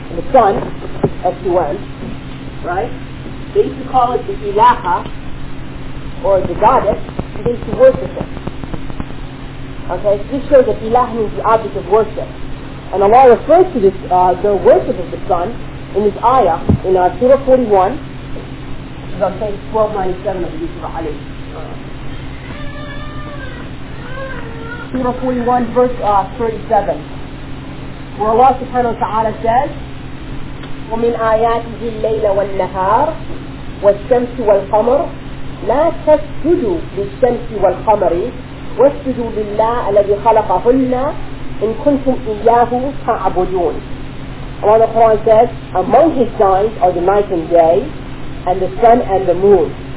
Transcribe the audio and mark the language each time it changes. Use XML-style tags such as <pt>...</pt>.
<en>And the sun, S-U-N, right? They used to call it the Elaha, or the goddess, and they used to worship it. Okay, so this shows that Elah means the object of worship. And Allah refers to this, the worship of the sun in this ayah, in Surah 41, which is on page 1297 of the Yusuf Ali. Surah 41, verse 37, where Allah subhanahu wa ta'ala says,</en> <ar>وَمِنْ آيَاتِهِ اللَّيْلَ وَالنَّهَارِ وَالشَّمْسِ وَالْقَمَرِ لَا تَسْجُدُوا لِلشَّمْسِ وَالْقَمَرِ وَاسْجُدُوا لِلَّهِ الَّذِي خَلَقَهُنَّ إِن كُنْتُمْ إِيَّاهُ تَعْبُدُونَ.</ar> <en>Allah the Quran says, among his signs are the night and day, and the sun and the moon.</en>